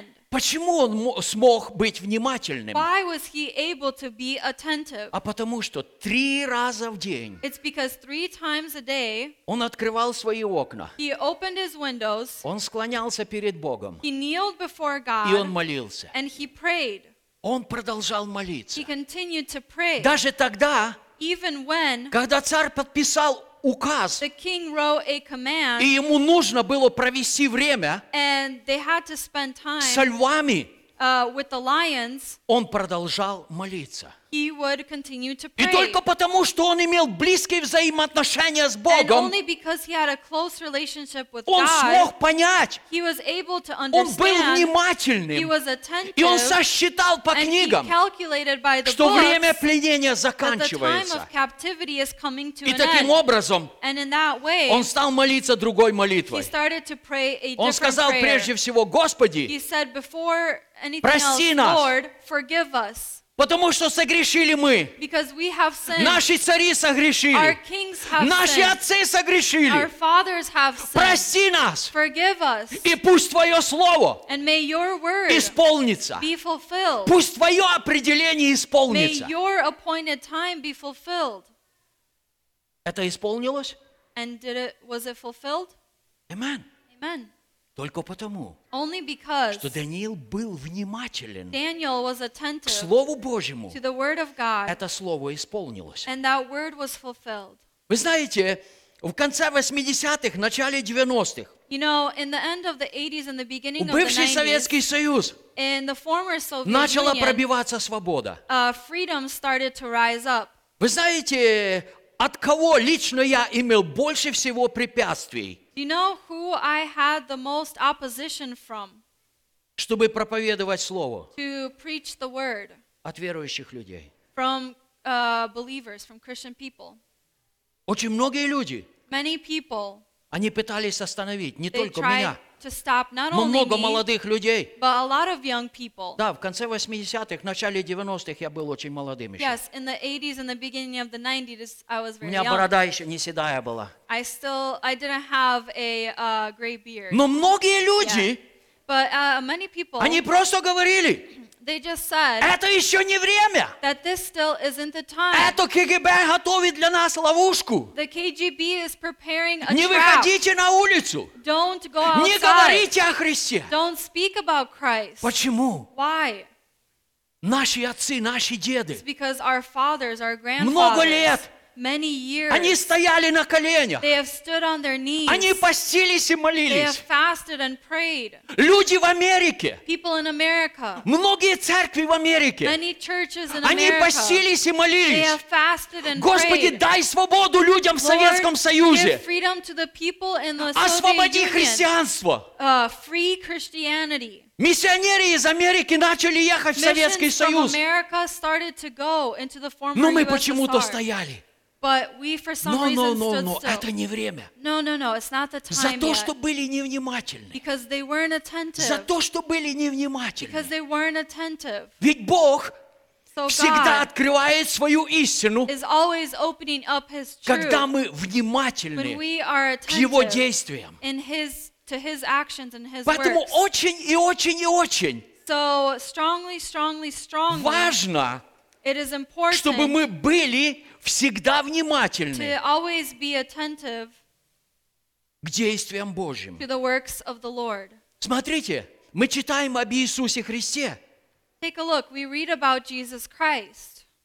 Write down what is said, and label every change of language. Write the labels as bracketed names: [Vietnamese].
[Russian] Почему он смог быть внимательным? [English] Why was he able to be attentive? [Russian] А потому что три раза в день [English] It's because three times a day, [Russian] он открывал свои окна, [English] he opened his windows, [Russian] он склонялся перед Богом, [English] he kneeled before God, [Russian] и он молился. [English] And he prayed. [Russian] Он продолжал молиться. [English] He continued to pray. [Russian] Даже тогда, [English] Even when, [Russian] когда царь подписал указ, [English] the king wrote a command, [Russian] и ему нужно было провести время [English] and they had to spend time, [Russian] со львами, [English] with the lions, [Russian] он продолжал молиться. [English] He would continue to pray. [Russian] И только потому, что он имел близкие взаимоотношения с Богом, [English] and only because he had a close relationship with [Russian] он [English] God, [Russian] смог понять, [English] he was able to understand, [Russian] он был внимательным, [English] he was attentive, [Russian] и он сосчитал по книгам, [English] and he calculated by the [Russian] что [English] books, [Russian] время пленения заканчивается. [English] That the time of captivity is coming to [Russian] и таким [English] an end. [Russian] Образом, [English] and in that way, [Russian] он стал молиться другой молитвой. [English] He started to pray a different [Russian] он сказал [English] prayer. [Russian] Прежде всего, Господи, [English] he said before anything [Russian] прости [English] else, [Russian] нас, [English] Lord, forgive us. [Russian] Потому что согрешили мы. Наши цари согрешили. [English] Our kings have [Russian] Наши [English] sinned. [Russian] Отцы согрешили. [English] Our fathers have sinned. [Russian] Прости нас. [English] Forgive us. [Russian] И пусть Твое Слово [English] And may your word [Russian] исполнится. [English] Be fulfilled. [Russian] Пусть Твое определение исполнится. [English] May your appointed time be fulfilled. [Russian] Это исполнилось? [English] And did it, was it fulfilled? Amen. Amen. [Russian] Только потому, [English] Only because [Russian] что Даниил был внимателен [English] Daniel was attentive [Russian] к Слову Божьему, [English] to the word of God, [Russian] это Слово исполнилось. [English] And that word was fulfilled. [Russian] Вы знаете, в конце 80-х, начале 90-х, [English] you know, in the end of the 80s and the beginning of the 90s, Советский Союз in the former Soviet [Russian] начала [English] Union, [Russian] пробиваться свобода. [English] Freedom started to rise up. [Russian] Вы знаете, от кого лично я имел больше всего препятствий? [English] You know who I had the most opposition from? [Russian] Чтобы проповедовать слово. [English] To preach the word. [Russian] От верующих людей. [English] From believers, from Christian people. [Russian] Очень многие люди. [English] Many people. [Russian] Они пытались остановить не только меня. [English] to stop not [Russian] Много [English] only [Russian] Много молодых людей. [English] But a lot of young people. [Russian] Да, в конце 80-х, начале 90-х я был очень молодым еще. [English] Yes, in the 80s and the beginning of the 90s I was very young. [Russian] У меня борода еще не седая была. [English] I didn't have a gray beard. [Russian] Но многие люди [English] But many people [Russian] Они просто говорили [English] They just said [Russian] Это еще не время. [English] That this still isn't the time. [Russian] Это КГБ готовит для нас ловушку. [English] The KGB is preparing a [Russian] Не [English] trap. [Russian] Выходите на улицу. [English] Don't go outside. [Russian] Не говорите о Христе. [English] Don't speak about Christ. [Russian] Почему? [English] Why? [Russian] Наши отцы, наши деды. [English] It's because our fathers, our grandfathers. [Russian] Много лет. [English] Many years. [Russian] Они стояли на коленях. [English] They have stood on their knees. [Russian] Они постились и молились. [English] They have fasted and prayed. [Russian] Люди в Америке. [English] People in America. [Russian] Многие церкви в Америке. [English] Many churches in [Russian] они [English] America. [Russian] Они постились и молились. [English] They have fasted and [Russian] Господи, [English] prayed. [Russian] Дай свободу людям [English] Lord, [Russian] в Советском Союзе. [English] Give freedom to the people in the Soviet [Russian] Освободи христианство. [English] Free Christianity. [Russian] Миссионеры из Америки начали ехать [English] Missions [Russian] в Советский Союз. [English] From America started to go into the former [Russian] Но мы почему-то стояли. [English] But we for some no, reason no, no, stood no. still. [Russian] Это не время. [English] No, no, no, it's not the time [Russian] За то, [English] yet. [Russian] Что были невнимательны. [English] Because they weren't attentive. [Russian] За то, что были невнимательны. [English] Because they weren't attentive. [Russian] Ведь Бог [English] so [Russian] всегда [English] God [Russian] открывает свою истину, [English] is always opening up his truth [Russian] когда мы внимательны [English] when we are attentive [Russian] к Его действиям. [English] In his, to his actions and his [Russian] Поэтому [English] works. [Russian] Очень и очень и очень [English] so strongly, strongly, strongly [Russian] важно, [English] it is important [Russian] чтобы мы были Всегда внимательны [English] to always be attentive [Russian] к действиям Божьим. [English] To the works of the Lord. [Russian] Смотрите, мы читаем об Иисусе Христе. [English] Take a look. We read about Jesus Christ.